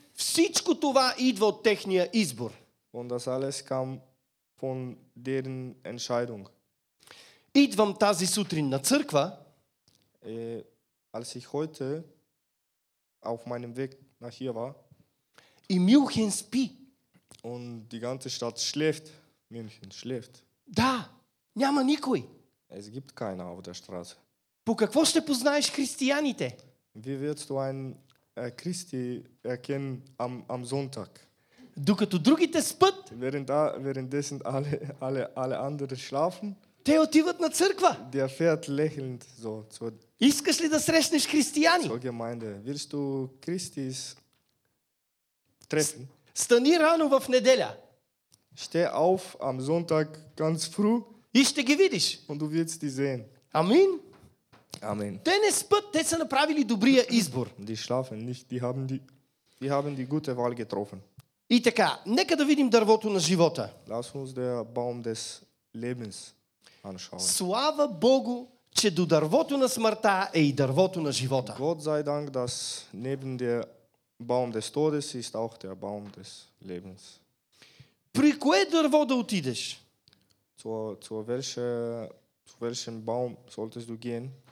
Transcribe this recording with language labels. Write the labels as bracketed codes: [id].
[bg] всичко това идва от техния избор. [de] Und das alles kam von deren Entscheidung. [bg] Идвам тази сутрин на църква. [de] Als ich heute auf meinem Weg nach hier war, in München spi und die ganze Stadt schläft, München schläft. [bg] Da, няма никой. [de] Es gibt keiner auf der Straße. [bg] По какво ще познаеш християните? [de] Wie wirst du ein Christi erkennen am Sonntag? [bg] Докато другите спят. [de] Währenddessen alle andere schlafen. [bg] Те отиват на църква. [de] Der fährt lächelnd so zur. [bg] Искаш ли да срещнеш християни? [de] Zur Gemeinde. Willst du Christis treffen? [bg] Стани рано в неделя. [de] Steh auf am Sonntag ganz früh. [bg] И ще ги видиш. [de] Und du wirst die sehen. Amen. Amen. [bg] Те не спят, те са направили добрия избор. [de] Die schlafen nicht, die haben die gute Wahl getroffen. [bg] И така, нека да видим дървото на живота. [de] Lass uns den Baum des Lebens anschauen. [bg] Слава Богу, че до дървото на смъртта е и дървото на живота. [de] Gott sei Dank, dass neben der Baum des Todes ist auch der Baum des Lebens. [bg] При кое дърво да отидеш? [de] Zu welchem Baum solltest du gehen?